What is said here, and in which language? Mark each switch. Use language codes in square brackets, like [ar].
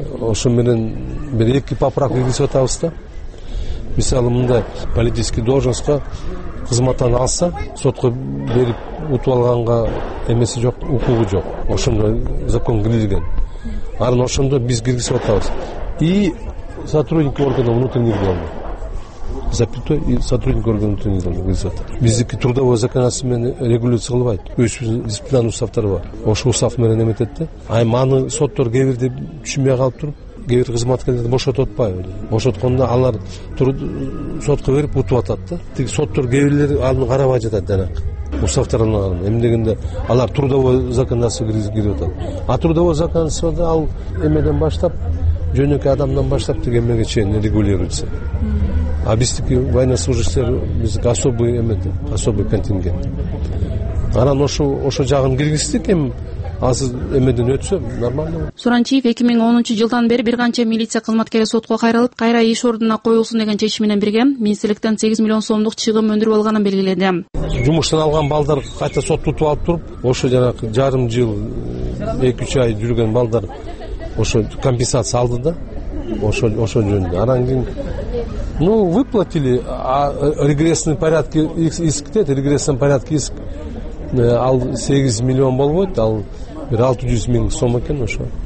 [ky] Ошо менен бир эки поправка киргизип атабыз да. Мисалы мындай политический должностко кызматтан алса сотко берип утуп алганга эмеси жок, укугу жок. Ошондо закон кирилген. Анан ошондо биз киргизип атабыз. [ru] И сотрудник органов внутренних дел. Запятой и сотрудник органов внутренних дел [ky] киргизип атат. Биздики [ru] трудовой законодательство [ky] менен регулируется кылбайт. Өзүбүздүн дисциплинарный уставтары бар. Ошо устав менен эметет да. Айм аны соттор кээбирде түшүнбөй калып туруп кээ бир кызматкерлерди бошотуп атпайбы. Бошотконда алар сотко берип утуп атат да. Тиги соттор кээ бирлери аны карабай жатат жанагы. Устав тарабынан эмне дегенде алар трудовой законодательство кирип атат. А трудовой законодательствода ал эмеден баштап жөнөкөй адамдан баштап тиги эмеге чейин регулируется. А биздики военнослужащийлер биздики особый эме особый контингент. Анан ошо жагын киргиздик эми азыр эмеден өтсө нормально. Сурончиев 2010-жылдан бери бир канча милиция кызматкери сотко кайрылып, кайра иш ордуна коюлсун деген чечим менен бирге министрликтен 8 миллион сомдук чыгым өндүрүп алганын белгиледи. Жумуштан алган балдар кайта сотту утуп алып туруп, ошо жанагы жарым жыл 2-3 ай жүргөн балдар ошо компенсация алды да. Ошо жөнүндө. Анан кийин [ru] выплатили, а регрессный порядке иск [ky] дейт, регрессный порядке иск ал 8 миллион болбойт, ал бир 600 000 сом экен ошо.